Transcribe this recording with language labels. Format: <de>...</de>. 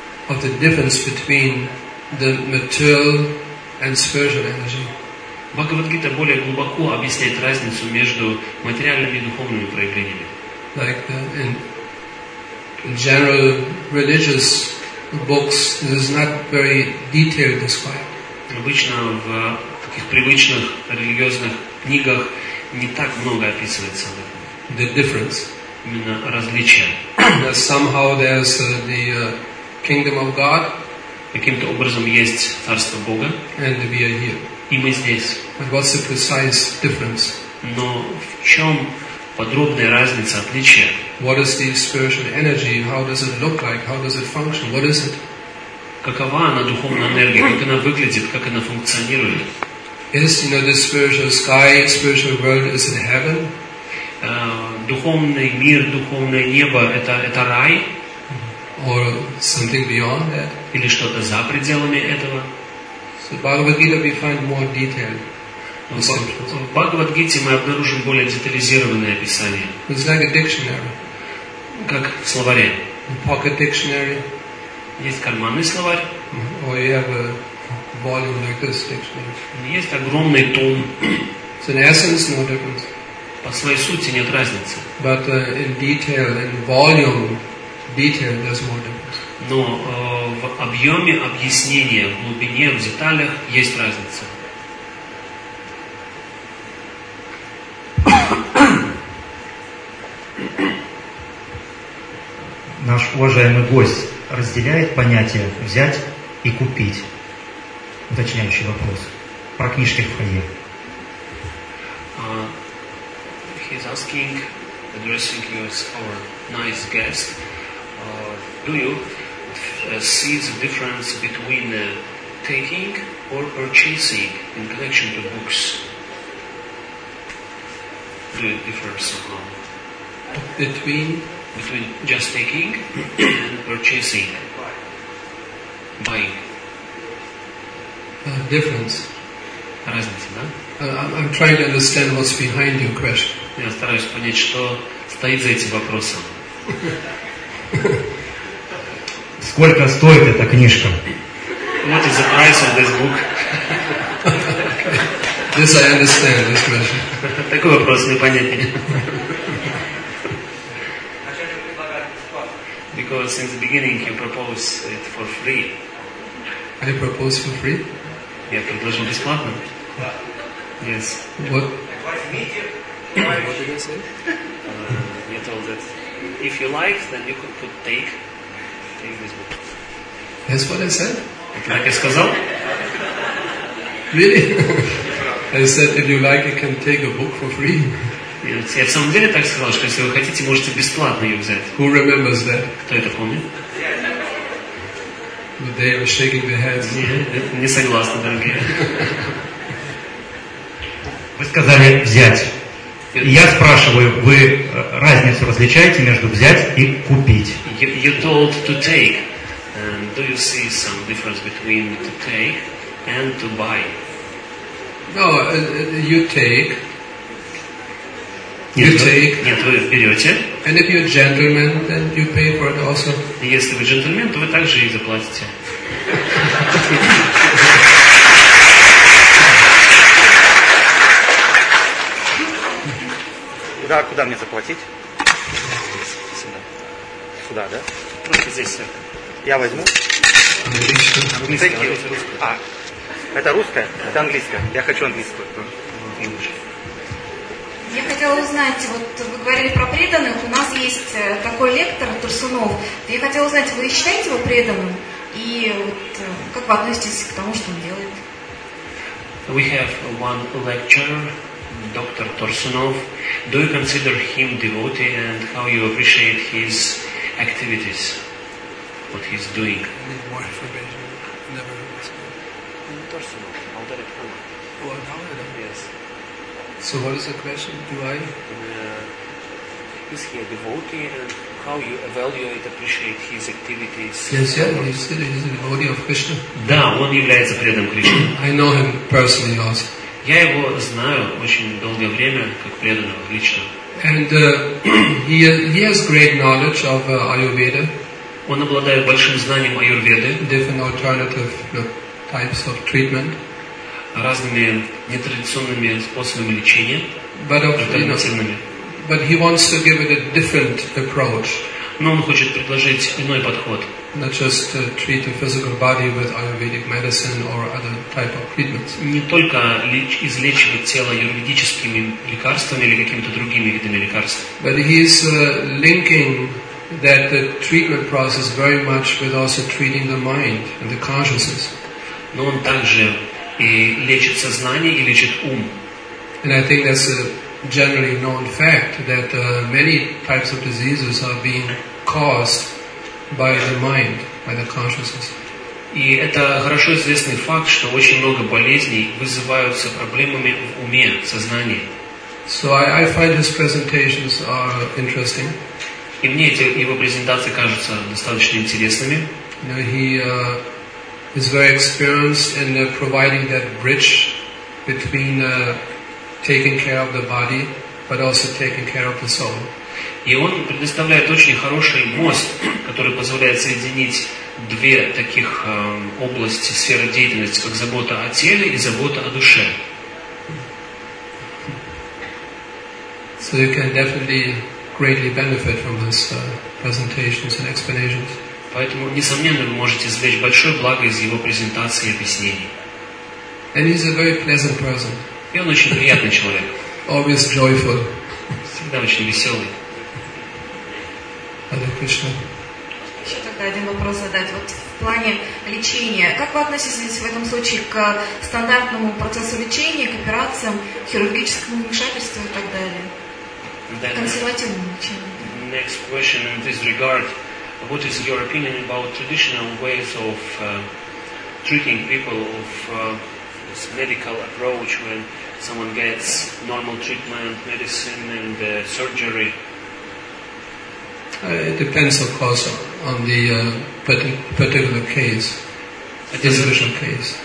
<en>of the difference between the material and spiritual energy.</en> <ru>Бхагавад-гита более глубоко объясняет разницу между материальными и духовными проявлениями.</ru> <en>Like the, in general religious books, this is not very detailed described.</en> <ru>Обычно в таких привычных религиозных книгах не так много описывается об этом.</ru> <en>The difference.</en> <ru>Именно различия.</ru> <en>That somehow there's the kingdom of God.</en> <ru>Каким-то образом есть царство Бога.</ru> <en>And we are here.</en> <ru>И мы здесь.</ru> <en>But what's the precise difference?</en> <ru>Но в чем подробная разница, отличие?</ru> <en>What is the spiritual energy? How does it look like? How does it function? What is it?</en> <ru>Какова она духовная энергия? Как она выглядит? Как она функционирует?</ru> <en>Is, you know, this spiritual sky, spiritual world, is it heaven?</en> <ru>Духовный мир, духовное небо, это рай?</ru> <en>Or something beyond that?</en> <ru>Или что-то за пределами этого?</ru> <en>So, Bhagavad-gita, we find more detail.</en> <ru>В Бхагавад-гите мы обнаружим более детализированное описание.</ru> <en>It's like a dictionary.</en> <ru>Как в словаре.</ru> <en>A pocket dictionary.</en> <ru>Есть карманный словарь. Mm-hmm.</ru> <en>Or you have a volume like this dictionary.</en> <ru>Есть огромный том.</ru> <en>So in essence, no difference.</en> <ru>По своей сути нет разницы.</ru> <en>But in detail, in volume, detail, there's more difference.</en> <ru>Но в объеме объяснения, в глубине, в деталях есть разница. Наш уважаемый гость разделяет понятие «взять и купить»? Уточняющий вопрос. Про книжки в фойе.</ru> <en>He's asking, addressing you as our nice guest, do you see the difference between taking or purchasing in connection to books? Do you differ somehow? Between just taking and purchasing. Buying. Difference.</en> <ru>Разница, да?</ru> <en>I'm trying to understand what's behind your question.</en> <ru>Я стараюсь понять, что стоит за этим вопросом. Сколько стоит эта книжка?</ru> <en>What is the price of this book? This I understand, this question.</en> <ru>Такой вопрос непонятен.</ru> <en>Because in the beginning you propose it for free. I propose for free?</en> <ru>Я предложил бесплатно.</ru> <en>Yes. What? What did I say? You told that if you like, then you could put take this book. That's what I said?</en> <ru>Так я сказал?</ru> <en>Really? I said, if you like, you can take a book for free.</en> <ru>Я в самом деле так сказал, что если вы хотите, можете бесплатно ее взять.</ru> <en>Who remembers that?</en> <ru>Кто это помнит?</ru> <en>But they are shaking their heads.</en> <ru>Не согласны, дорогие. Вы сказали «взять». И я спрашиваю, вы разницу различаете между «взять» и «купить»?</ru> <en>You told to take. And do you see some difference between to take and to buy? No, you take. You take.</en> <ru>Нет, вы берете.</ru> <en>And if you're a gentleman, then you pay for it also.</en> <ru>Если вы джентльмен, то вы также и заплатите. Да, куда мне заплатить? Здесь, сюда. Сюда, да? Здесь, сюда. Я возьму. Английская. А, это русская? Да. Это английская. Я хочу английскую. Я хотела узнать, вот вы говорили про преданных, у нас есть такой лектор Турсунов. Я хотела узнать, вы считаете его преданным? И вот как вы относитесь к тому, что он делает?</ru> <en>We have one lecturer, Dr. Torsunov. Do you consider him devotee and how you appreciate his activities? What he's doing. I need more information. Never asked. Torsunov, how did it come? Oh, how did it? Yes. So what is the question? Do I? Is he a devotee and how you evaluate, appreciate his activities? Yes, yes. He's a devotee of Krishna.</en> <ru>Да, он является преданным Кришне.</ru> <en>I know him personally also.</en> <ru>Я его знаю очень долгое время как преданного лично.</ru> <en>And he has great knowledge of Ayurveda.</en> <ru>Он обладает большим знанием аюрведы.</ru> <en>Different alternative types of treatment.</en> <ru>Разными нетрадиционными способами лечения. Альтернативными.</ru> <en>But he wants to give it a different approach.</en> <ru>Но он хочет предложить иной подход.</ru> <en>Not just treat the physical body with ayurvedic medicine or other type of treatments.</en> <ru>Не только излечивать тело аюрведическими лекарствами или какими-то другими видами лекарств.</ru> <en>But he is linking that the treatment process very much with also treating the mind and the consciousness.</en> <ru>Но он также и лечит сознание и лечит ум.</ru> <en>And I think that's a generally known fact that many types of diseases are being caused by the mind, by the consciousness.</en> <ru>И это хорошо известный факт, что очень много болезней вызываются проблемами в уме, в сознании.</ru> <en>So I find his presentations are interesting.</en> <ru>И мне эти его презентации кажутся достаточно интересными.</ru> <en>You know, he is very experienced in providing that bridge between taking care of the body, but also taking care of the soul.</en> <ru>И он предоставляет очень хороший мост, который позволяет соединить две таких области, сферы деятельности, как забота о теле и забота о душе.</ru> <en>So you can definitely greatly benefit from his presentations and explanations.</en> <ru>Поэтому, несомненно, вы можете извлечь большое благо из его презентации и объяснений.</ru> <en>And he's a very pleasant person.</en> <ru>И он очень приятный человек.</ru> <en>Always joyful.</en> <ru>Всегда очень веселый. Еще тогда один вопрос задать. Вот в плане лечения, как вы относитесь в этом случае к стандартному процессу лечения, к операциям, к хирургическому вмешательству и так далее?</ru> <en>Then,</en> <ru>консервативному лечению.</ru> <en>Next question in this regard. What is your opinion about traditional ways of treating people of this medical approach when someone gets normal treatment, medicine and surgery? It depends, of course, on the particular case, individual case.</en>